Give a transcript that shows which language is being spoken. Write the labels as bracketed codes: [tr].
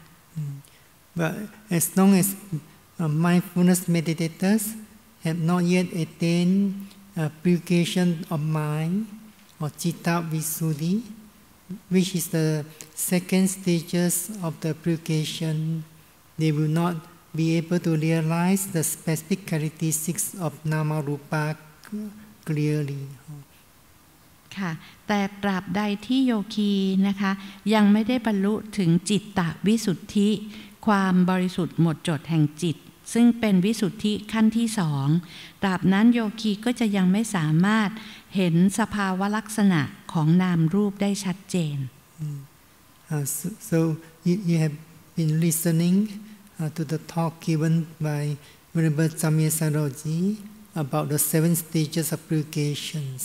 [en] But as long as mindfulness meditators have not yet attained purification of mind or citta visuddhi, which is the second stages of the purification, they will not be able to realize the specific characteristics of nama rupa clearly. [th] ค่ะแต่ตราบใดที่โยคีนะคะยังไม่ได้บรรลุถึงจิตตวิสุทธิความบริสุทธิ์หมดจดแห่งจิตซึ่งเป็นวิสุทธิขั้นที่สองตราบนั้นโยคีก็จะยังไม่สามารถเห็นสภาวะลักษณะของนามรูปได้ชัดเจน [en] so you have been listening to the talk given by Venerable Samya Saroji about the seven stages of purgation